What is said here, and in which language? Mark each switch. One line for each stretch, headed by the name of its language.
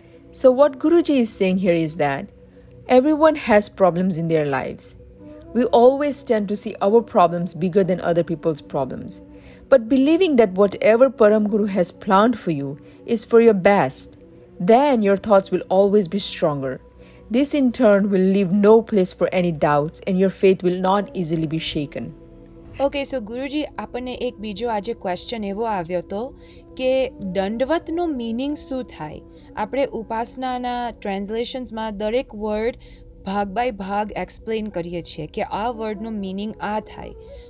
English: So what Guruji is saying here is that everyone has problems in their lives. We always tend to see our problems bigger than other peoples problems, but believing that whatever Param Guru has planned for you is for your best, then your thoughts will always be stronger. This in turn will leave no place for any doubts and your faith will not easily be shaken. Okay, so
Gujarati: Guruji, આપણને એક બીજો આજે question એવો આવ્યો તો કે દંડવતનો meaning શું થાય? આપણે ઉપાસનાના translationsમાં દરેક word ભાગ બાય ભાગ explain કરીએ છીએ કે આ વર્ડનો મીનિંગ આ થાય.